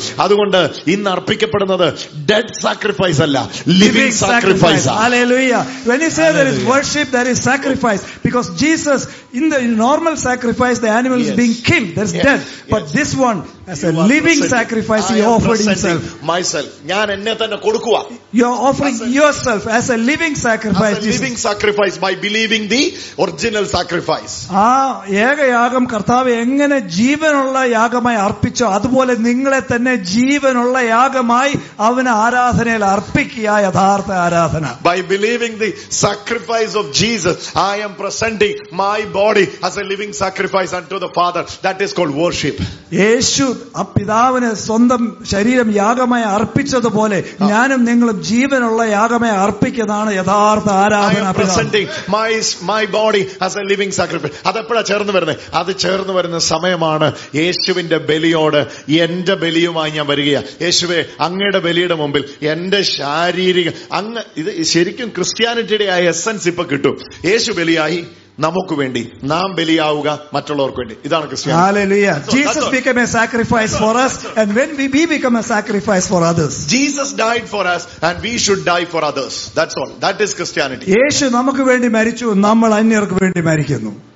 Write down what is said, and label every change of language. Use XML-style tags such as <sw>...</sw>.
<ml>അതുകൊണ്ട് ഇന്ന് അർപ്പിക്കപ്പെടുന്നത്</ml> <en>dead sacrifice</en> <ml>അല്ല,</ml> <en>Living sacrifice. Hallelujah. When you say there is worship, there is sacrifice. Because Jesus in the normal sacrifice the animal is being killed, that's dead. But this one as a living sacrifice he offered himself.</en> <ml>Myself, ഞാൻ എന്നെ തന്നെ കൊടുക്കുക.</ml> <en>You are offering yourself as a living sacrifice. As a living sacrifice by believing the original sacrifice.</en> <ml>ആ ഏക യാഗം കർത്താവെ എങ്ങനെ ജീവനുള്ള യാഗമായി അർപ്പിച്ചോ അതുപോലെ നിങ്ങളെ തന്നെ ജീവനുള്ള യാഗമായി അവന് ആരാധനയിൽ അർപ്പിക്കുക. യഥാർത്ഥ ആരാധന</ml> <en>by believing the sacrifice of Jesus, I am presenting my body as a living sacrifice unto the Father. That is called worship.</en> <ml>യേശു ആ പിതാവിന് സ്വന്തം ശരീരം യാഗമായി അർപ്പിച്ചതുപോലെ ഞാനും നിങ്ങളും ജീവനുള്ള യാഗമായി അർപ്പിക്കുന്നതാണ് യഥാർത്ഥ ആരാധന.</ml> <en>My body as a living sacrifice.</en> <ml>അതെപ്പോഴാണ് ചേർന്ന് വരുന്നത്? അത് ചേർന്ന് വരുന്ന സമയമാണ് യേശുവിന്റെ ബലിയോട് എന്റെ ബലിയുമായി ഞാൻ വരികയാണ്. യേശുവെ, അങ്ങയുടെ ബലിയുടെ മുമ്പിൽ എന്റെ ശാരീരിക അങ്ങ് ഇത് ശരിക്കും ക്രിസ്ത്യാനിറ്റിയുടെ ആ എസൻസ് ഇപ്പൊ കിട്ടും. യേശു ബലിയായി നമുക്ക് വേണ്ടി, നാം ബലിയാവുക മറ്റുള്ളവർക്ക് വേണ്ടി. ഇതാണ് Christianity.</ml> <en>Jesus died for us and we should die for others. That's all. That is Christianity.</en> <ml>യേശു നമുക്ക് വേണ്ടി മരിച്ചു, നമ്മൾ അന്യർക്ക് വേണ്ടി മരിക്കുന്നു.</ml>